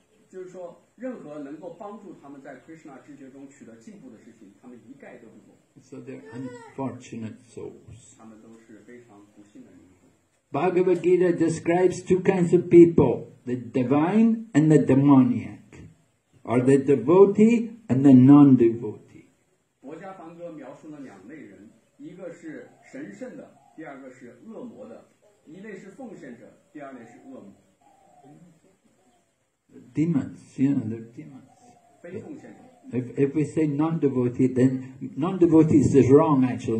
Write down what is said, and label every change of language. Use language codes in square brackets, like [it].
[zh] 就是说任何能够帮助他们在 Krishna 知觉中取得进步的事情他们一概都不做。 [en] So they're unfortunate souls. [zh] 他们都是非常不幸的人。 [en] Bhagavad Gita describes two kinds of people, the divine and the demoniac, or the devotee and the non-devotee. [zh] 佛家梵歌描述了两类人，一个是神圣的，第二个是恶魔的，一类是奉献者，第二类是恶魔。 [en] Demons, you know, they're demons. If we say non-devotee, then non-devotees is wrong actually.